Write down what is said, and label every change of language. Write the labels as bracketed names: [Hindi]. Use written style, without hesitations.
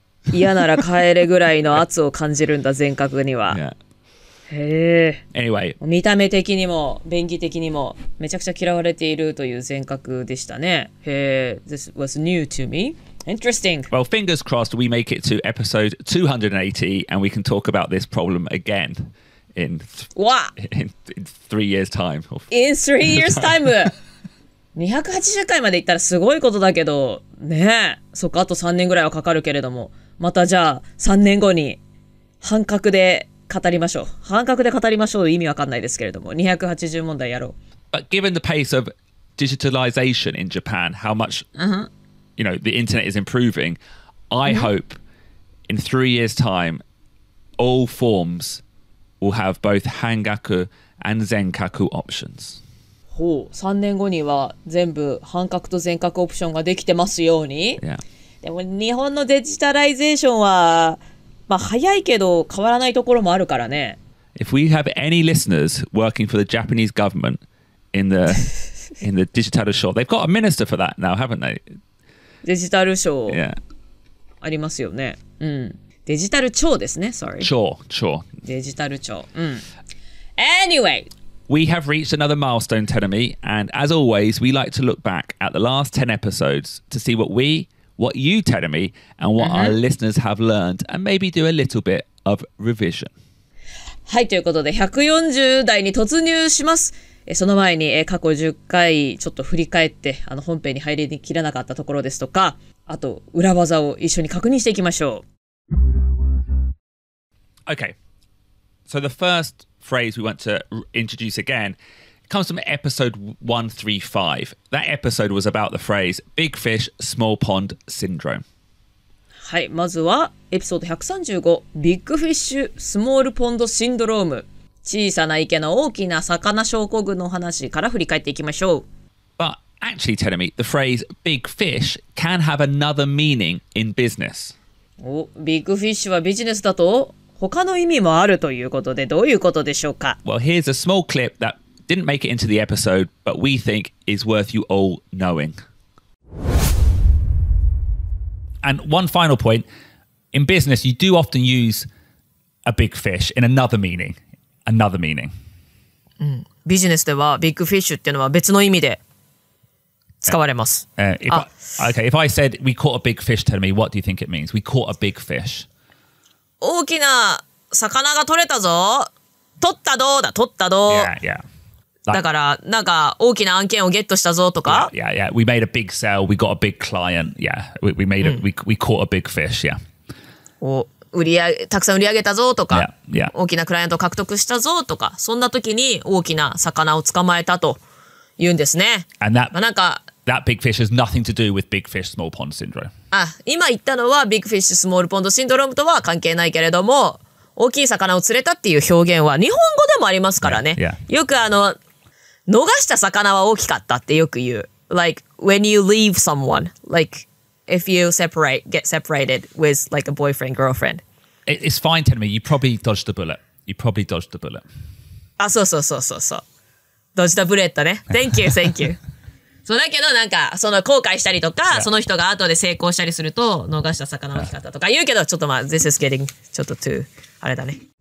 [Japanese] 嫌なら帰れぐらいの圧を感じるんだ、全角には。 [English] Yeah. [Japanese] へ [English] え。Anyway, [Japanese] 見た目的にも便宜的にもめちゃくちゃ嫌われているという全角でしたね。 [English] へえ。This was new to me. Interesting. Well, fingers crossed we make it to episode 280 and we can talk about this problem again in 3 years time. In 3 years time. [Japanese] 280回までいったらすごいことだけどね。そっか、あと3年ぐらいはかかるけれども、またじゃあ3年後に半角で語りましょう。半角で語りましょう。意味わかんないですけれども、280問題やろう。 [English] But given the pace of digitalization in Japan, how much, you know, the internet is improving, I hope in 3 years' time, all forms will have both hangaku and zenkaku options. [Japanese] ほう、3年後には全部半角と全角オプションができてますように。 [English] Yeah. [Japanese] でも日本のデジタライゼーションは、まあ早いけど変わらないところもあるからね。 [English] If we have any listeners working for the Japanese government in the digital show, they've got a minister for that now, haven't they? [Japanese] デジタル省、 [English] yeah. [Japanese] ありますよね。うん、デジタル庁ですね。 [English] Sorry. [Japanese] 庁、庁。デジタル庁。うん。Anyway, [English] we have reached another milestone, Tenami, and as always, we like to look back at the last 10 episodes to see what you, Tenami, and what、uh-huh. our listeners have learned, and maybe do a little bit of revision. [Japanese] はい、ということで140代に突入します。その前に過去10回ちょっと振り返って本編に入りきらなかったところですとかあと裏技を一緒に確認していきましょう。 [English] Okay, so the first phrase we want to introduce again comes from episode 135. That episode was about the phrase big fish, small pond syndrome. [Japanese] はい、まずはエピソード135 [English] big fish, small pond syndrome。 [Japanese] 小さな池の大きな魚症候群の話から振り返っていきましょう。 [English] But actually, tell me, the phrase big fish can have another meaning in business. [Japanese] お、ビッグフィッシュはビジネスだと他の意味もあるということでどういうことでしょうか? [English] Well, here's a small clip that didn't make it into the episode, but we think is worth you all knowing. And one final point. In business, you do often use a big fish in another meaning. Another meaning.、 [Japanese] うん、ビジネスではビッグフィッシュっていうのは別の意味で使われます。 [English] Okay, if I said we caught a big fish, tell me what do you think it means? We caught a big fish. [Japanese] 大きな魚が取れたぞ。取ったどうだ、取ったどう。 [English] Yeah, yeah. [Japanese] That, だからなんか大きな案件をゲットしたぞとか。 [English] Yeah, yeah, yeah. We made a big sale. We got a big client. Yeah, we made a、うん、we caught a big fish. Yeah. [Japanese] お。売り上げたくさん売り上げたぞとか [English] yeah, yeah. [Japanese] 大きなクライアントを獲得したぞとかそんな時に大きな魚を捕まえたと言うんですね。 [English] And that,、まあ、なんか that big fish has nothing to do with big fish small pond syndrome. [Japanese] あ、今言ったのはビッグフィッシュスモールポンドシンドロームとは関係ないけれども大きい魚を釣れたっていう表現は日本語でもありますからね。 [English] Yeah, yeah. [Japanese] よく逃した魚は大きかったってよく言う。 [English] Like when you leave someone, likeIf you separate, get separated with like a boyfriend, girlfriend. It's fine, tell me. You probably dodged the bullet. You probably dodged the bullet. [Japanese] あ、そうそうそうそうそう。ドジたブレットね。 [English] Thank you, thank you. [Japanese] そうだけど、なんか、その後悔したりとか、yeah. その人が後で成功したりすると、逃した魚大きかったとか言うけど、ちょっとまあ、 [English] this is getting [Japanese] ちょっと too, あれだね。